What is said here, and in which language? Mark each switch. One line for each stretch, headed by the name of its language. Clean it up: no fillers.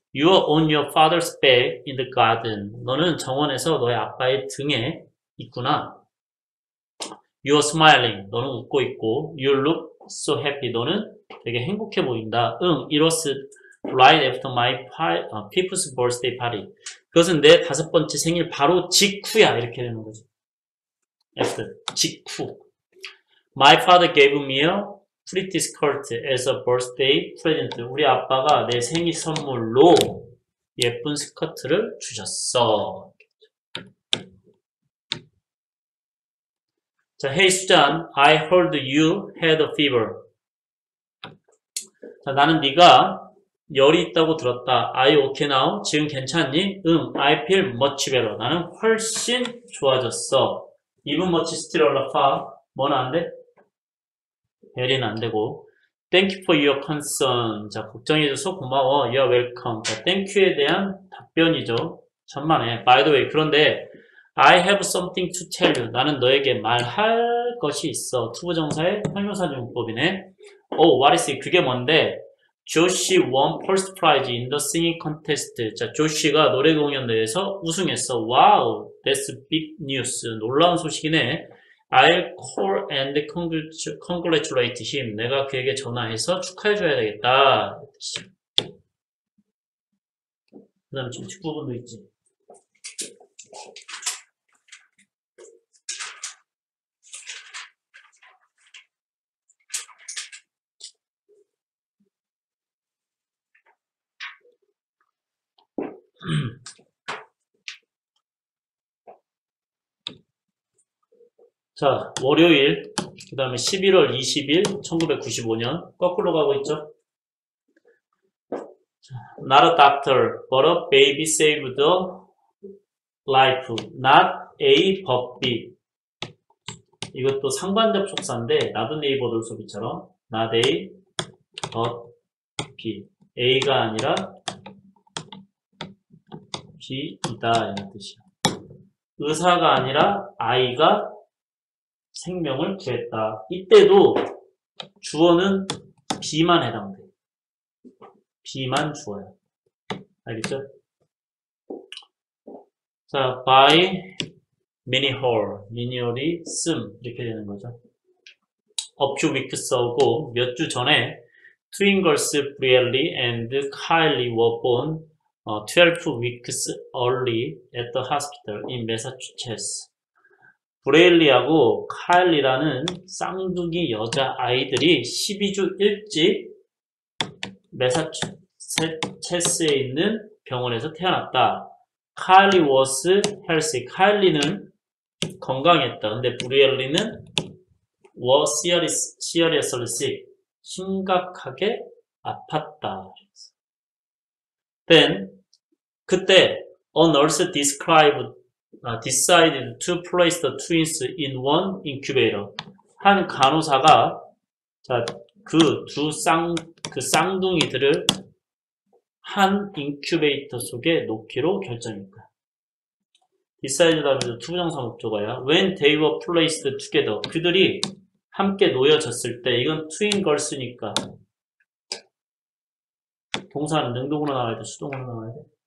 English: You are on your father's back in the garden.
Korean: 너는 정원에서 너의 아빠의 등에 있구나.
English: You are smiling.
Korean: 너는 웃고 있고.
English: You look so happy.
Korean: 너는 되게 행복해 보인다.
English: 응, it was right after my people's birthday party.
Korean: 그것은 내 다섯 번째 생일 바로 직후야. 이렇게 되는 거지. after, 직후.
English: My father gave me a pretty skirt as a birthday present.
Korean: 우리 아빠가 내 생일 선물로 예쁜 스커트를 주셨어.
English: 자, Hey, Susan, I heard you had a fever.
Korean: 자, 나는 네가 열이 있다고 들었다.
English: Are you okay now?
Korean: 지금 괜찮니?
English: 응, I feel much better.
Korean: 나는 훨씬 좋아졌어.
English: Even much still a lot far.
Korean: 뭐는 안 돼? 대리는 안 되고.
English: Thank you for your concern.
Korean: 자, 걱정해줘서 고마워.
English: You are welcome.
Korean: 자, thank you에 대한 답변이죠. 천만에.
English: By the way,
Korean: 그런데,
English: I have something to tell you.
Korean: 나는 너에게 말할 것이 있어. 투부정사의 형용사 용법이네.
English: Oh, what is it?
Korean: 그게 뭔데?
English: Joshi won first prize in the singing contest.
Korean: 자, Joshi가 노래 공연대회에서 우승했어.
English: Wow, that's big news.
Korean: 놀라운 소식이네.
English: I'll call and congratulate him.
Korean: 내가 그에게 전화해서 축하해줘야겠다. 그다음에 정식 부분도 있지. 자, 월요일, 그 다음에 11월 20일, 1995년, 거꾸로 가고 있죠?
English: Not a doctor, but a baby saved a life. Not a but b.
Korean: 이것도 상관접속사인데, 나도 네이버도 소비처럼.
English: Not a but b.
Korean: A가 아니라 b이다. 이런 뜻이야. 의사가 아니라 아이가 생명을 구했다. 이때도 주어는 B만 해당돼. B만 주어야. 알겠죠? 자, by Minihall. Minihall이 쓴. 이렇게 되는 거죠.
English: A few weeks ago,
Korean: 몇주 전에,
English: twin girls Briley and Kylie were born 12 weeks early at the hospital in Massachusetts.
Korean: 브레일리하고 카일리라는 쌍둥이 여자 아이들이 12주 일찍 매사추세츠에 있는 병원에서 태어났다. 카일리
English: 워스 헬시.
Korean: 카일리는 건강했다. 근데 브레일리는
English: 워 시어리어슬리
Korean: 심각하게 아팠다.
English: Then
Korean: 그때
English: a nurse described decided to place the twins in one incubator.
Korean: 한 간호사가 그 쌍둥이들을 한 인큐베이터 속에 놓기로 결정했다. Decided 하면서 to 부정사 목적어야.
English: When they were placed together,
Korean: 그들이 함께 놓여졌을 때, 이건 twin girls니까 동사는 능동으로 나와야 돼, 수동으로 나와야 돼.